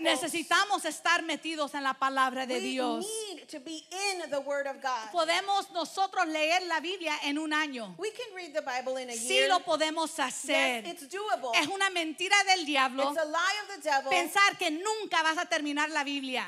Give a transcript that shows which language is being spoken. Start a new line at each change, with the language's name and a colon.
Spanish: necesitamos estar metidos en la palabra de Dios.
English: We need to be in the word of God.
Spanish: Podemos nosotros leer la Biblia en un año.
English: We can read the Bible in a
Spanish: sí
English: year.
Spanish: Lo podemos hacer.
English: Yes, it's doable.
Spanish: Es una mentira del diablo.
English: It's a lie of the devil.
Spanish: Pensar que nunca vas a terminar la Biblia.